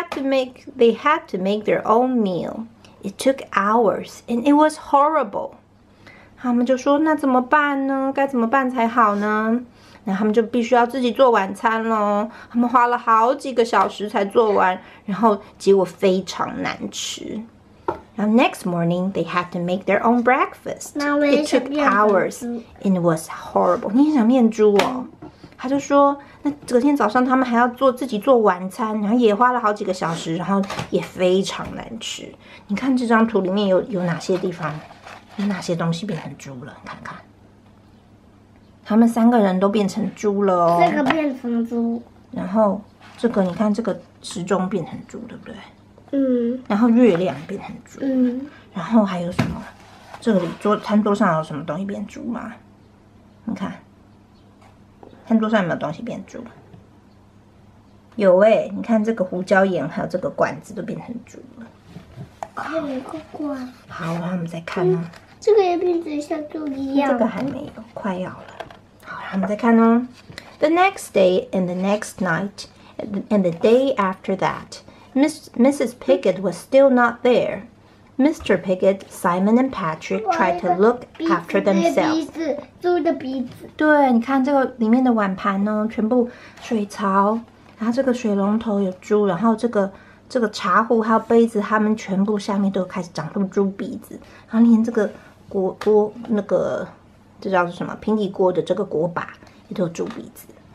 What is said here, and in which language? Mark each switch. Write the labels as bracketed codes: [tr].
[en] They had to make their own meal. It took hours, and it was horrible. [zh] 他们就说：“那怎么办呢？该怎么办才好呢？” 那他们就必须要自己做晚餐喽。他们花了好几个小时才做完，然后结果非常难吃。 [en] Now next morning, they had to make their own breakfast. It took hours, and it was horrible. [zh] 你也想变猪哦？他就说：“那隔天早上他们还要做自己做晚餐，然后也花了好几个小时，然后也非常难吃。你看这张图里面有哪些地方，有哪些东西变成猪了？看看，他们三个人都变成猪了哦。这个变成猪，然后这个你看这个时钟变成猪，对不对？然后月亮变成猪，然后还有什么？这里桌餐桌上有什么东西变猪吗？你看。” 餐桌上有没有东西变猪？有哎、欸，你看这个胡椒盐还有这个罐子都变成猪了。看一个罐。好，然后我们再看哦、这个也变成像猪一样。这个还没有，快要了。好，然后我们再看哦。 [en] The next day and the next night, And the day after that, Mrs. Piggott was still not there. Mr. Piggott, Simon and Patrick tried to look after themselves. [zh] 猪的鼻子。对，你看这个里面的碗盘呢，全部水槽，然后这个水龙头有猪，然后这个茶壶还有杯子，它们全部下面都开始长出猪鼻子，然后连这个锅那个这叫做什么平底锅的这个锅把也都有猪鼻子。